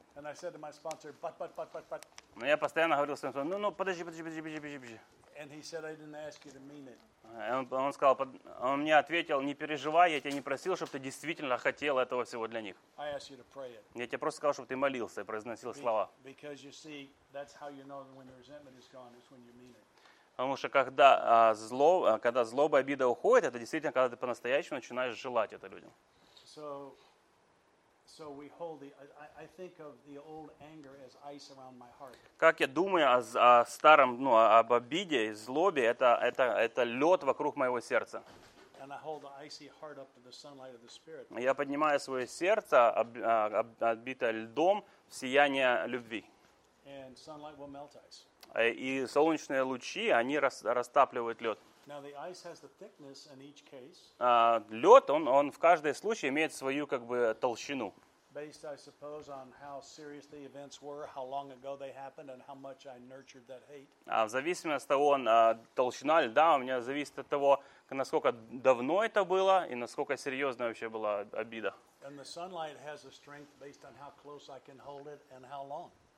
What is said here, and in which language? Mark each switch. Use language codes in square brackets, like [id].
[en] And I said to my sponsor, but. [ru] Но я постоянно говорил своему спонсору, подожди. [en] And he said, I didn't ask you to mean it. [ru] Он мне ответил, не переживай, я тебя не просил, чтобы ты действительно хотел этого всего для них. [en] I asked you to pray it. [ru] Я тебе просто сказал, чтобы ты молился и произносил слова. [en] Because you see, that's how you know when the resentment is gone, is when you mean it. [ru] Потому что когда когда злоба и обида уходят, это действительно, когда ты по-настоящему начинаешь желать это людям. [en] So we hold the, I think of the old anger as ice around my heart. [ru] Как я думаю о старом, об обиде и злобе, это лед вокруг моего сердца. [en] And I hold the icy heart up to the sunlight of the Spirit. [ru] Я поднимаю свое сердце, обитое льдом, в сияние любви. [en] And sunlight will melt ice. [ru] И солнечные лучи, они растапливают лед. [en] Now the ice has the thickness in each case. [ru] Лед, он в каждом случае имеет свою толщину. [en] Based, I suppose, on how serious the events were, how long ago they happened, and how much I nurtured that hate. [ru] В зависимости от того, толщина льда у меня зависит от того, насколько давно это было и насколько серьезная вообще была обида. [en] And the sunlight has a strength based on how close I can hold it and how long.